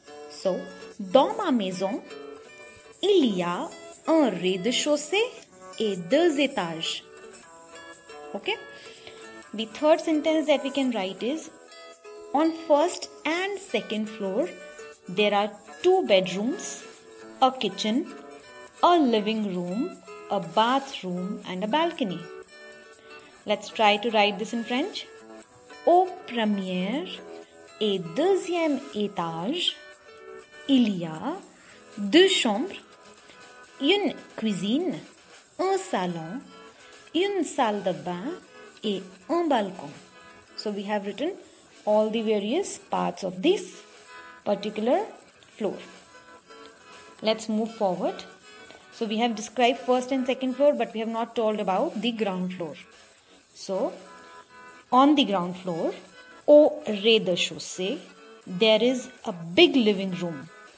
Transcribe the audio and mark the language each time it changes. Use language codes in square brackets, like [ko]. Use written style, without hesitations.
[fr] So, dans ma maison, il y a un rez-de-chaussée et deux étages. [en] Okay? The third sentence that we can write is, on first and second floor, there are two bedrooms, a kitchen, a living room, a bathroom and a balcony. Let's try to write this in French. [fr] Au premier et deuxième étage, il y a deux chambres, une cuisine, un salon, une salle de bain et un balcon. [en] So we have written all the various parts of this particular floor. Let's move forward. So So we have described first and second floor, but we have not told about the ground floor. So on the ground floor, [fr] au rez-de-chaussée, [en] there is a big living room.